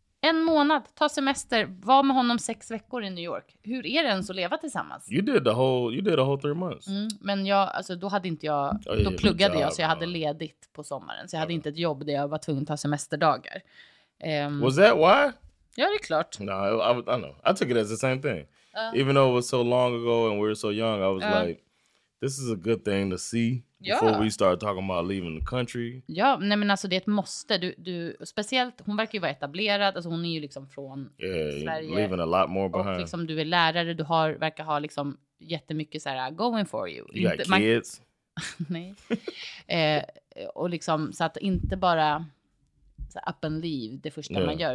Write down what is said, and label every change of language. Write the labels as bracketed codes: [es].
[sv] En månad, ta semester, var med honom 6 veckor i New York. Hur är det ens att leva tillsammans? [en] You did the whole 3 months. [sv] Mm, men jag, alltså då hade inte jag, då pluggade jag så jag hade ledigt på sommaren. Så jag hade inte ett jobb där jag var tvungen att ta semesterdagar. [en] Was that why? [sv] Ja, det är klart. [en] No, I don't know. I took it as the same thing. Even though it was so long ago and we were so young, I was like, this is a good thing to see before we start talking about leaving the country. [sv] Ja, nej men alltså det är ett måste. Du speciellt, hon verkar ju vara etablerad. Alltså hon är ju liksom från Sverige. [en] Leaving a lot more behind. [sv] Och liksom du är lärare, du har, verkar ha liksom jättemycket så här going for you. [en] You inte, got man, kids. [sv] nej. och liksom så att inte bara så här, up and leave det första man gör.